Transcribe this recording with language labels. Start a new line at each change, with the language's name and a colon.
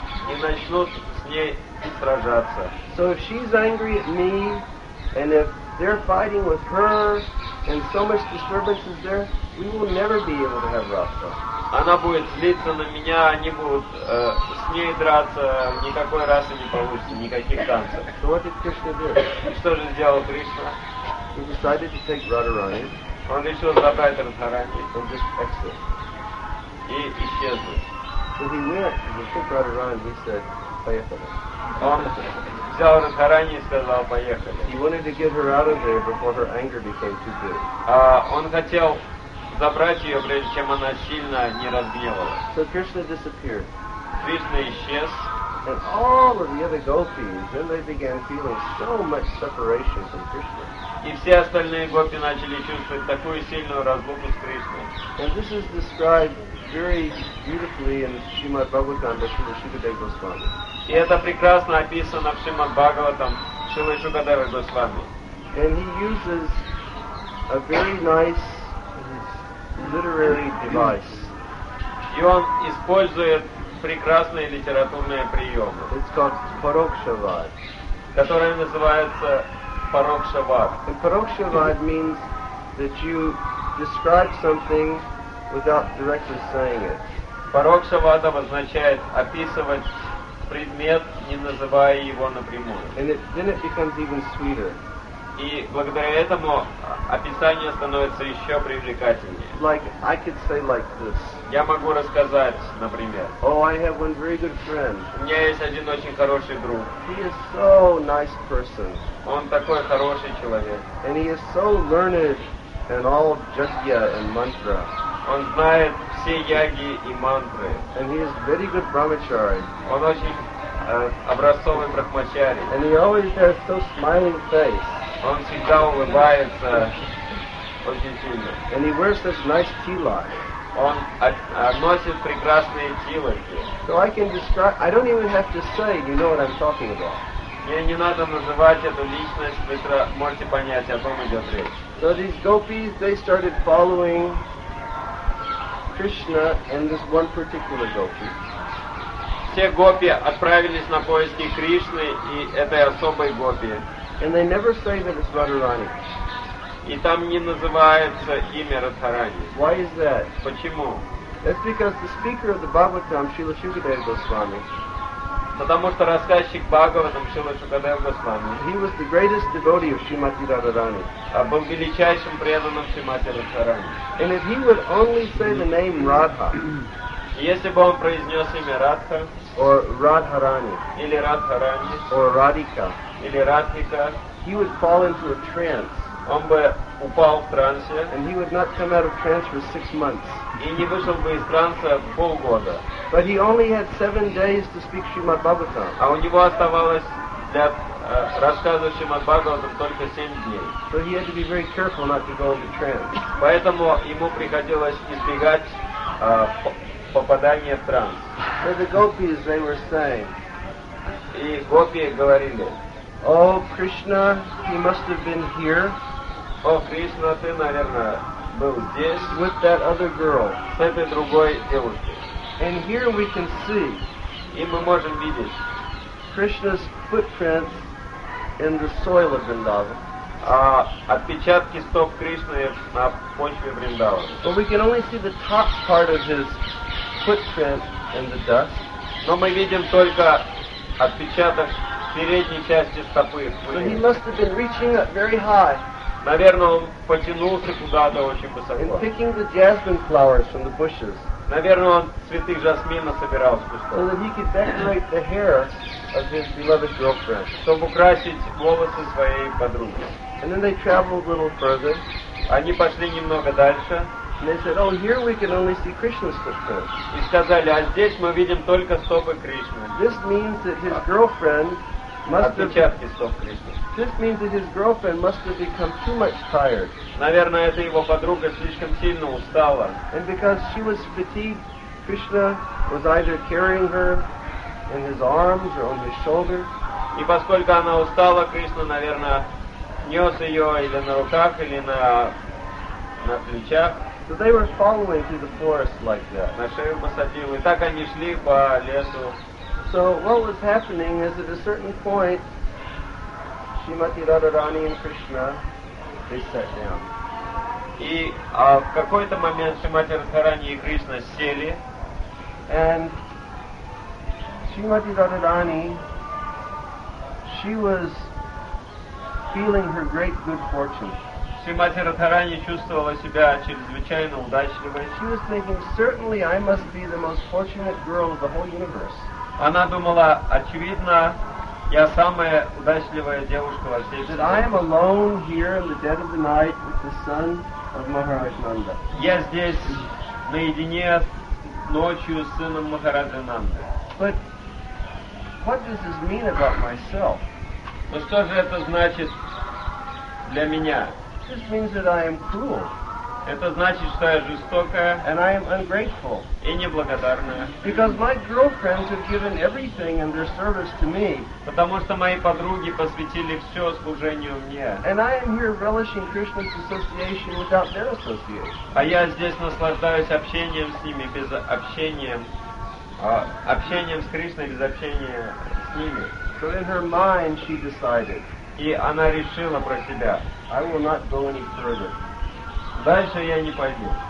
Russian: И начнут с ней сражаться.
English: So if she's angry at me, and if they're fighting with her, and so much disturbance is there, we will never be able to have rasa.
Russian: Она будет злиться на меня, они будут с ней драться, никакой расы не получится, никаких танцев.
English: So what did Krishna do?
Russian: Что же сделал Кришна?
English: He decided to take Radharani.
Russian: Он решил забрать Радхарани.
English: And just exit.
Russian: И исчезнуть.
English: So he went, he took Radharani, he said,
Russian: поехали. Он взял Радхарани и сказал, поехали.
English: He wanted to get her out of there before her anger became too big.
Russian: Он хотел забрать ее, прежде чем она сильно не разгневалась.
English: So Krishna disappeared.
Russian: Кришна исчез.
English: And all of the other gopis, then they began feeling so much separation from Krishna.
Russian: И все остальные гопи начали чувствовать такую сильную разлуку с Кришной.
English: And this is described very beautifully in Srimad Bhagavatam by Srila Shukadeva Goswami.
Russian: И это прекрасно описано в Шримад Бхагаватам Шрилы Шукадевы Госвами.
English: And he uses a very nice literary device.
Russian: И он использует прекрасные литературные приемы.
English: It's called Parokshavad.
Russian: Которая называется Parokshavad.
English: And Parokshavad means that you describe something without directly saying it.
Russian: Парокшавада означает описывать предмет, не называя его напрямую.
English: And it, then it becomes even sweeter.
Russian: И благодаря этому описание становится еще привлекательнее.
English: Like, I could say like this.
Russian: Я могу рассказать, например.
English: Oh, I have one very good friend.
Russian: У меня есть один очень хороший друг.
English: He is so nice person.
Russian: Он такой хороший человек.
English: And he is so learned in all of Jagya and mantra.
Russian: Он знает все яги и мантры.
English: And he is very good brahmachari.
Russian: Он очень образцовый брахмачари.
English: And he always has so smiling face.
Russian: Он всегда улыбается очень сильно.
English: And he wears this nice tilak.
Russian: Он носит прекрасные тилаки.
English: So I can describe. I don't even have to say. You know what I'm talking about.
Russian: Мне не надо называть эту личность. Вы можете понять, о ком идет речь.
English: So these gopis, they started following Krishna and this one particular gopi.
Russian: Все гопи отправились на поиски Кришны и этой особой гопи.
English: And they never say that it's Radharani.
Russian: И там не называется имя Радхарани.
English: Why is that?
Russian: Почему?
English: That's because the speaker of the Bhagavatam, Srila Shukadeva Goswami.
Russian: Потому что рассказчик Бхагаватам Шрила Шукадева Госвами.
English: He was the greatest devotee of Shrimati Radharani.
Russian: Был величайшим преданным Шримати Радхарани.
English: And if he would only say the name Radha.
Russian: Если бы он произнес имя Радха.
English: Or Radharani.
Russian: Или Радхарани.
English: Or Radhika.
Russian: Или Радхика.
English: He would fall into a trance.
Russian: Он бы упал в трансе.
English: And he would not come out of trance for 6 months.
Russian: И не вышел бы из транса полгода.
English: But he only had 7 days to speak Srimad Bhagavatam.
Russian: А у него оставалось для рассказа Srimad Bhagavatam только 7 дней.
English: So he had to be very careful not to go into trance.
Russian: Поэтому ему приходилось избегать попадания в транс.
English: So the gopis, they were saying.
Russian: И гопи говорили.
English: Oh, Krishna, he must have been here.
Russian: Oh, Krishna, ты, наверное, был здесь.
English: With that other girl.
Russian: С этой другой девушкой.
English: And here we can see.
Russian: И мы можем видеть.
English: Krishna's footprints in the soil of Vrindavan.
Russian: Отпечатки стоп Кришны на почве Вриндавана.
English: But we can only see the top part of his footprint in the dust.
Russian: Но мы видим только отпечаток передней части стопы.
English: So he must have been reaching up very high.
Russian: Наверное, он потянулся куда-то очень высоко.
English: And picking the jasmine flowers from the bushes.
Russian: Наверное, он цветы жасмина собирал с кустов.
English: So that he could decorate the hair of his beloved girlfriend.
Russian: Чтобы украсить волосы своей подруги.
English: And then they traveled a little further.
Russian: Они пошли немного дальше.
English: And they said, oh, here we can only see Krishna's footprints.
Russian: И сказали, а здесь мы видим только стопы Кришны.
English: This means that his girlfriend must have.
Russian: Отпечатки стоп Кришны.
English: This means that his girlfriend must have become too much tired.
Russian: Наверное, это его подруга слишком сильно устала.
English: And because she was fatigued, Krishna was either carrying her in his arms or on his shoulder.
Russian: И поскольку она устала, Кришна, наверное, нес ее или на руках, или на плечах.
English: So they were following through the forest like that.
Russian: На шею посадил. И так они шли по лесу.
English: So what was happening is at a certain point, Shrimati Radharani and Krishna, they sat down.
Russian: И в какой-то момент Шримати Радхарани и Кришна сели.
English: And Shrimati Radharani, she was feeling her great good fortune.
Russian: Шримати Радхарани чувствовала себя чрезвычайно удачливой.
English: She was thinking, certainly I must be the most fortunate girl of the whole universe.
Russian: Она думала, очевидно, я самая удачливая девушка во всей жизни.
English: That I am alone here in the dead of the night with the son of Maharaj Nanda.
Russian: Я здесь наедине ночью с сыном Махараджа Нанды.
English: But what does this mean about myself?
Russian: Ну что же это значит для меня?
English: This means that I am cruel.
Russian: Это значит, что я жестокая.
English: And I am ungrateful.
Russian: И неблагодарная.
English: Because my girlfriends have given everything in their service to me.
Russian: Потому что мои подруги посвятили все служению мне.
English: And I am here relishing Krishna's association without their association.
Russian: А я здесь наслаждаюсь общением с ними без общения. Общением с Кришной без общения с ними.
English: So in her mind she decided.
Russian: И она решила про себя.
English: I will not go any further.
Russian: Дальше я не пойду.